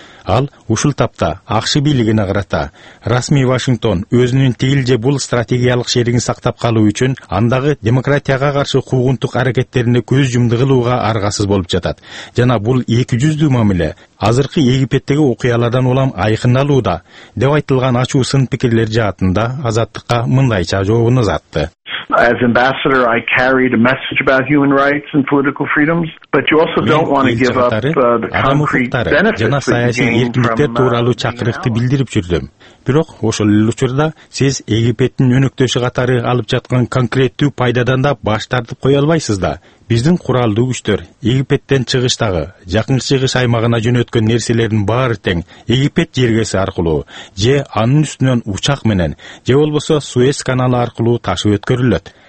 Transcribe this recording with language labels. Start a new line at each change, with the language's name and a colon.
Kyrgyz: Ал ушул тапта АКШ бийлигине карата расмий Вашингтон өзүнүн тигил же бул стратегиялык шеригин сактап калуу үчүн андагы демократияга каршы куугунтук аракеттерине көз жумду кылууга аргасыз болуп жатат. Жана бул эки жүздүү мамиле азыркы Египеттеги окуялардан улам айкындалууда деп айтылган ачуу сын пикирлер жаатында азаттыкка мындайча жообун узатты.
English: As ambassador, I carried a message about human rights and political freedoms, but you also don't want to give up the concrete benefits that you gained from
Kyrgyz: Бирок ошол эле учурда сиз Египеттин өнөктөшү катары алып жаткан конкреттүү пайдадан да баш тартып кое албайсыз да. Биздин куралдуу күчтөр Египеттен чыгыштагы жакын чыгыш аймагына жөнөткөн нерселердин баары тең Египет жергеси аркылуу же анын үстүнөн учак менен же болбосо Суэц каналы аркылуу ташып өткөрүлөт.